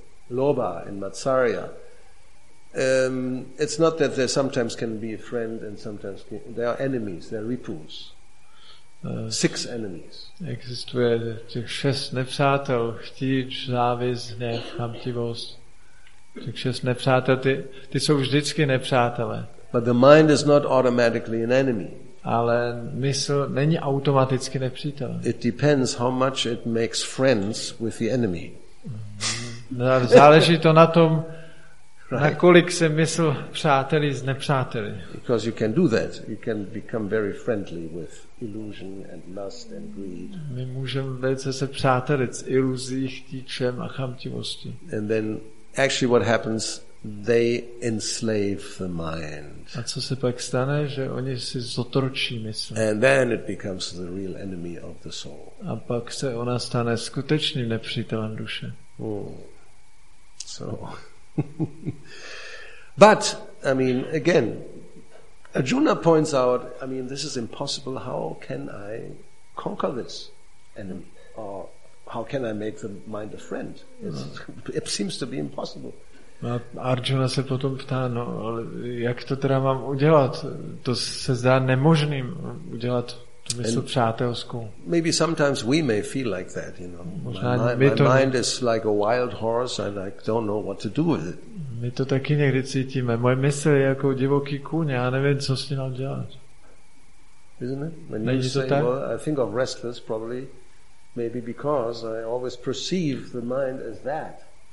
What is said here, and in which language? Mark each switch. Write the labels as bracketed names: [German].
[English] Loba and matsarya. It's not that there sometimes can be a friend and sometimes they are enemies, they are ripus. Six enemies. [Czech] Existuje těch šest nepřátel, chtíč, závist, hněv, chamtivost. Těch šest nepřátel, ty jsou vždycky nepřátelé. [English] But the mind is not automatically an enemy. [Czech] Ale mysl není automaticky nepřítel. [English] It depends how much it makes friends with the enemy. [Czech] Záleží to na tom, right. Nakolik se mysl přátelí s nepřáteli. [English] Because you can do that, you can become very friendly with illusion and lust and greed. [Czech] My můžeme velice se přátelit s iluzí, chtíčem a chamtivostí. [English] And then actually what happens, they enslave the mind. [Czech] A co se pak stane, že oni si zotročí mysl. [English] And then it becomes the real enemy of the soul. [Czech] A pak se ona stane skutečným nepřítelem duše. [English] So but I mean, again, Arjuna points out, I mean, this is impossible. How can I conquer this enemy? Or how can I make the mind a friend? It seems to be impossible. [Czech] A Arjuna se potom ptá, no, ale jak to teda mám udělat? To se zdá nemožným udělat tu mysl přátelskou. [English] Maybe sometimes we may feel like that, you know. [Czech] Možná [English] my mind is like a wild horse, and I don't know what to do with it. [Czech] My to taky někdy cítíme. Moje mysl je jako divoký kůň, já nevím, co s tím mám dělat. [English] Isn't it? When you say, [Czech] tak? [English] Well, I think of restless, probably, maybe because I always perceive the mind as that.